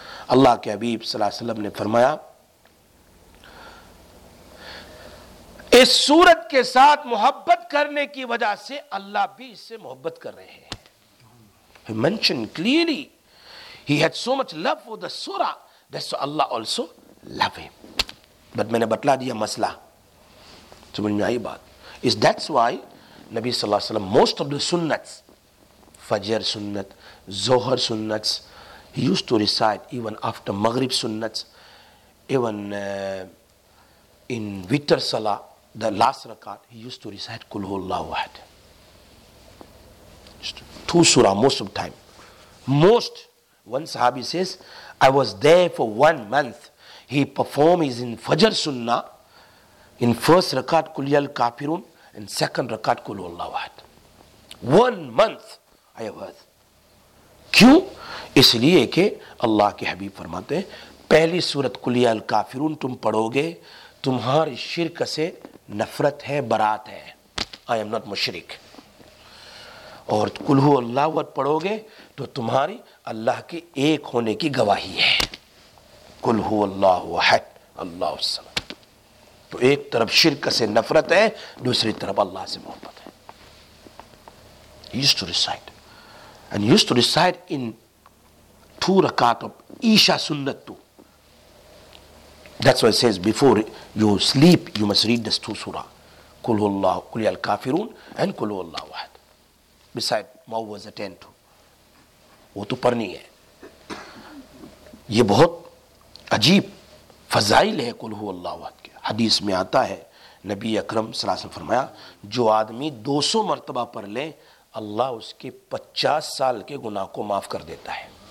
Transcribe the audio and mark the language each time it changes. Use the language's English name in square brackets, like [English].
[Urdu] اللہ کے حبیب صلی اللہ علیہ وسلم نے فرمایا اس سورت کے ساتھ محبت کرنے کی وجہ سے اللہ بھی اس سے محبت کر رہے ہیں. [English] He mentioned clearly he had so much love for the surah that so Allah also love him. But [Urdu] میں نے بتلا دیا مسئلہ, سمجھ میں آئی بات. [English] Is that's why نبی صلی اللہ علیہ وسلم most of the sunnats, فجر سنت, ظہر سنت, he used to recite even after maghrib sunnats, even in witr salah, the last rakat, he used to recite قُلْ هُوَ اللَّهُ وَحَدْ. Two surah most of time. Most, one sahabi says, I was there for 1 month. He performs in Fajr Sunnah, in first rakat قُلْ يَا الْكَافِرُونَ, and second rakat قُلْ هُوَ اللَّهُ وَحَدْ. 1 month, I have heard. [Urdu] کیوں؟ اس لیے کہ اللہ کے حبیب فرماتے ہیں پہلی سورت قُلْ يَا الْكَافِرُونَ تم پڑھو گے تمہاری شرک سے نفرت ہے, برات ہے, [English] I am not مشرک, [Urdu] اور قُلْ هُوَ اللَّهُ وَحَدْ پڑھو گے تو تمہاری اللہ کے ایک ہونے کی گواہی ہے. قُلْ هُوَ اللَّهُ وَحَدْ اللَّهُ السَّمَدْ. تو ایک طرف شرک سے نفرت ہے, دوسری طرف اللہ سے محبت ہے. [English] used to recite in 2 rakat of Isha Sunnat too. That's why it says before you sleep, you must read this 2 surah. قُلْ هُوَ اللَّهُ قُلْ يَا الْكَافِرُونَ and قُلْ هُوَ اللَّهُ وَحَدْ. Beside, Mawwaz was attend to. [Urdu] وہ تو پڑھنی ہے. یہ بہت عجیب فضائل ہے قُلْ هُوَ اللَّهُ وَحَدْ کے. حدیث میں آتا ہے نبی اکرم صلی اللہ علیہ وسلم فرمایا جو آدمی 200 مرتبہ پڑھ لیں اللہ اس کے 50 سال کے گناہ کو معاف کر دیتا ہے.